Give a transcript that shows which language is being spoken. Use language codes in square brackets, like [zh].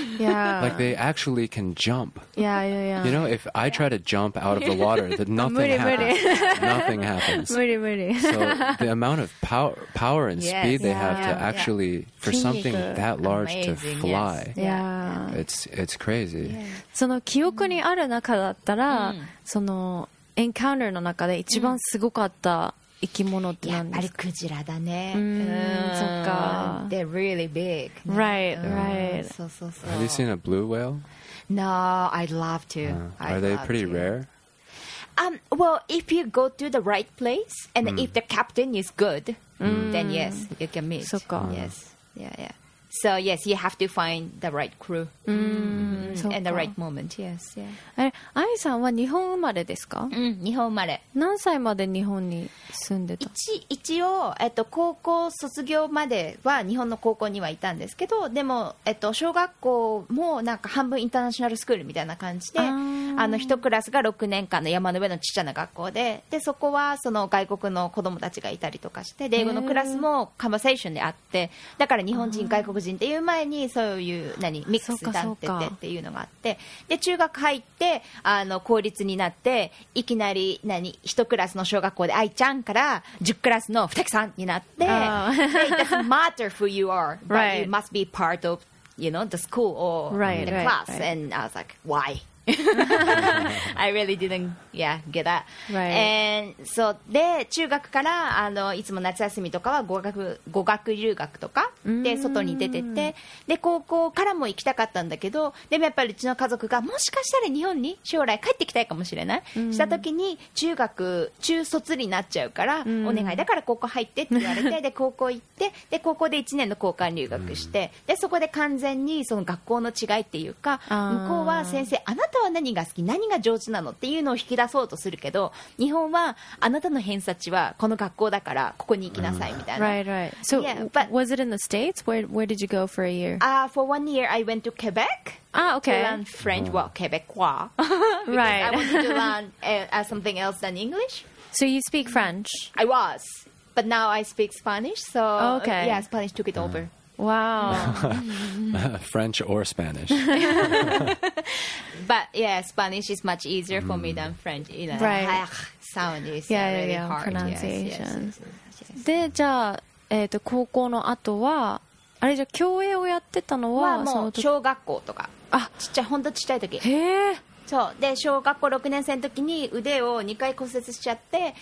[en] Yeah. Like they actually can jump. Yeah. You know, if I try to jump out of the water, then nothing happens. Moody. So the amount of power and speed they have to actually, for something that large Amazing, to fly, yes. yeah. it's crazy. [ja] その記憶にある中だったら、そのエンカウンターの中で一番すごかった生き物って何ですか？やっぱりクジラだね。そっか。 [en] They're really big. Right. [ja] そう。 [en] Have you seen a blue whale? No, I'd love to. Are they pretty rare? Well, if you go to the right place and if the captain is good, then yes, you can meet. [ja] そっか。 [en] Yes. Yeah. So yes, you have to find the right crew and the right moment. Yes. Yeah. [ja] あみさんは日本生まれですか？うん、日本生まれ。何歳まで日本に住んでた？一応高校卒業までは日本の高校にはいたんですけど、でも小学校もなんか半分インターナショナルスクールみたいな感じで、一クラスが6年間の山の上のちっちゃな学校で、でそこはその外国の子供たちがいたりとかして、英語のクラスもカンバセーションであって、だから日本人外国人っていう前にそういう何ミックスだっててっていうのがあって、で中学入って公立になっていきなり何一クラスの小学校でアイちゃんから10クラスのふたきさんになって、 [en] It doesn't matter who you are but right. you must be part of you know the school or right, the class right. and I was like why I really didn't yeah, get that、 right. and so [ja] で中学からいつも夏休みとかは語学留学とかで外に出てて、で高校からも行きたかったんだけど、でもやっぱりうちの家族がもしかしたら日本に将来帰ってきたいかもしれない、した時に中卒になっちゃうからお願いだから高校入ってって言われて、で高校行って、で高校で1年の交換留学して、でそこで完全にその学校の違いっていうか、向こうは先生あなたは何が好き何が上手なのっていうのを引き出そうとするけど、日本はあなたの偏差値はこの学校だからここに行きなさいみたいな。 [en] Right. So yeah, but, was it in the States? Where did you go for a year? For 1 year I went to Quebec. Ah, okay. To learn French, well, Quebecois. Right. I wanted to learn something else than English. So you speak French? I was, but now I speak Spanish. So okay. Yeah, Spanish took it over. Wow. French or Spanish. But yeah, Spanish is much easier for me than French. You know, right. Sound is really hard. Pronunciation. [ja] で、じゃあ、高校の後は、あれじゃあ、教員をやってたのは、もう小学校とか。あ、ちっちゃい、ほんとちっちゃい時。へぇ。そうで小学校6年生の時に腕を2回骨折しちゃって、